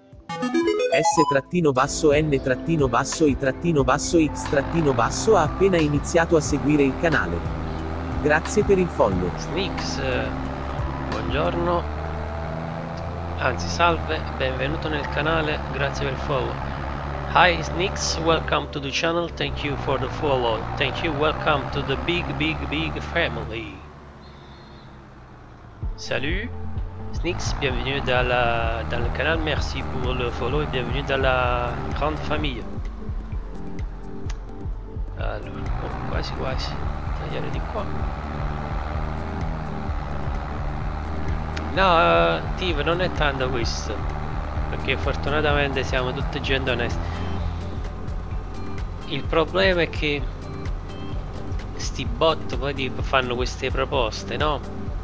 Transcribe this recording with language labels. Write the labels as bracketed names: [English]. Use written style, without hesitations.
[Italian] S-basso-N-basso-I-basso-X-basso ha appena iniziato a seguire il canale. Grazie per il follow. Mix, buongiorno. Anzi, salve, benvenuto nel canale, grazie per il follow. [English] Hi Snix, welcome to the channel, thank you for the follow, thank you, welcome to the big big big family. [French] Salut Snix, bienvenue dans le canal, merci pour le follow et bienvenue dans la grande famille. [Italian] Alors, oh, quasi, tagliare di qua. No, Steve, non è tanto questo, perché fortunatamente siamo tutti gente onesta. Il problema è che sti bot poi tipo fanno queste proposte, no?